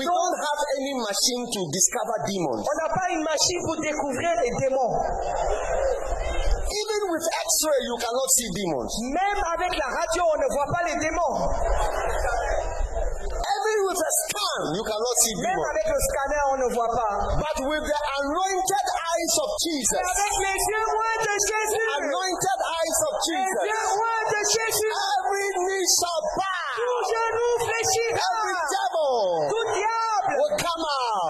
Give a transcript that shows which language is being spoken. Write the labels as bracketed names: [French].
[English] We don't have any machine to discover demons. [French] On n'a pas une machine pour découvrir les démons. [English] Even with X-ray, you cannot see demons. [French] Même avec la radio, on ne voit pas les démons. [English] Even with a scan, you cannot see demons. [French] Même avec le scanner, on ne voit pas. [English] But with the anointed eyes of Jesus. [French] Avec les yeux ouverts de Jésus. [English] Anointed eyes of Jesus. [French] Les yeux ouverts de Jésus. [English] Every knee shall bow. [French] Tout genou fléchira. [English] Every devil. [French] Tout diable. [English] Will come out.